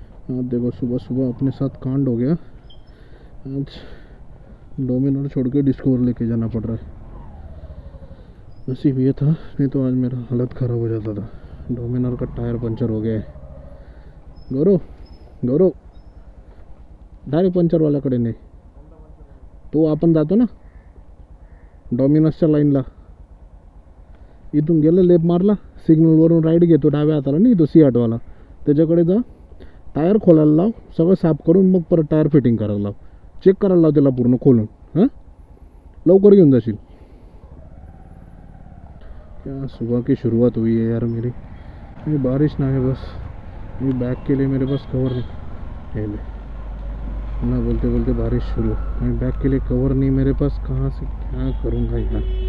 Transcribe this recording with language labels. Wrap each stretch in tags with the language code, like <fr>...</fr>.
<hi>आज देखो सुबह सुबह अपने साथ कांड हो गया। आज डोमिनोर छोड़ के डिस्कवर लेके जाना पड़ रहा है। नसीब ये था, नहीं तो आज मेरा हालत ख़राब हो जाता था। डोमिनोर का टायर पंचर हो गया है।</hi> <mr>गौरव गौरव टायर पंचर वाला कड़े नहीं तो आपन जातो ना डोमिनोसच्या लाईनला, इथून गेला लेप मारला सिग्नलवरून राईट घेतो डाव्या हाताला नाही तो सी आठवाला त्याच्याकडे जा, टायर खोलायला लाव, सगळं साफ करून मग परत टायर फिटिंग करायला लाव, चेक करायला लाव त्याला पूर्ण खोलून। हां लवकर घेऊन जाशील।</mr> <hi>सुबह की शुरुआत हुई है यार मेरी, नहीं बारिश ना है बस, ये बैग के लिए मेरे पास कवर नहीं है ले। ना बोलते बोलते बारिश शुरू, नहीं बैग के लिए कवर नहीं मेरे पास, कहाँ से क्या करूँगा यार।</hi>